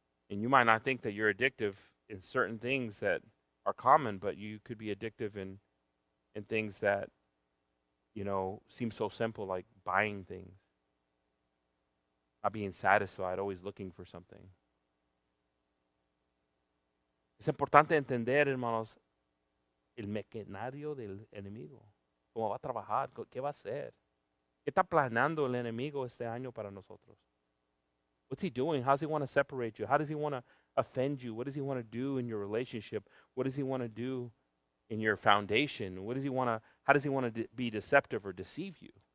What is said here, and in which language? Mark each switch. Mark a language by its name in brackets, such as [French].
[English] And you might not think that you're addictive in certain things that are common, but you could be addictive in things that, you know, seem so simple, like buying things, not being satisfied, always looking for something. [Spanish] Es importante entender, hermanos, el maquinario del enemigo. ¿Cómo va a trabajar? ¿Qué va a hacer? ¿Qué está planeando el enemigo este año para nosotros? [English] What's he doing? How does he want to separate you? How does he want to offend you? What does he want to do in your relationship? What does he want to do in your foundation? How does he want to be deceptive or deceive you?